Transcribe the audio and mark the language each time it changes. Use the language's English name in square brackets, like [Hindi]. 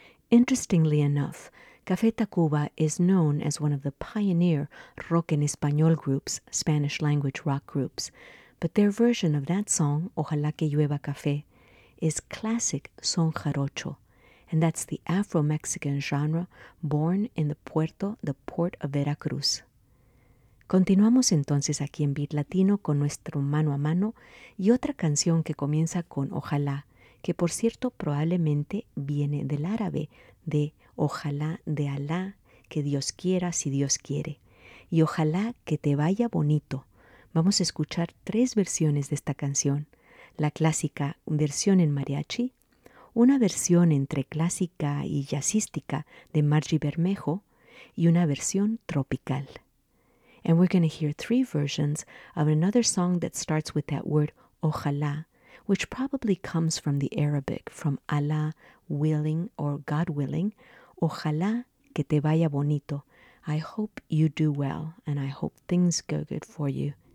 [English] Interestingly enough, Café Tacuba is known as one of the pioneer rock en español groups, Spanish language rock groups, but their version of that song, Ojalá que llueva café, is classic son jarocho, and that's the Afro-Mexican genre born in the puerto, the port of Veracruz. [Spanish] Continuamos entonces aquí en Beat Latino con nuestro mano a mano y otra canción que comienza con Ojalá, que por cierto probablemente viene del árabe, de ojalá, de Alá, que Dios quiera, si Dios quiere. Y ojalá que te vaya bonito. Vamos a escuchar tres versiones de esta canción. La clásica versión en mariachi, una versión entre clásica y jazzística de Margie Bermejo y una versión tropical. [English] And we're going to hear three versions of another song that starts with that word ojalá, which probably comes from the Arabic, from Allah willing or God willing. [Spanish] Ojalá que te vaya bonito. [English] I hope you do well and I hope things go good for you.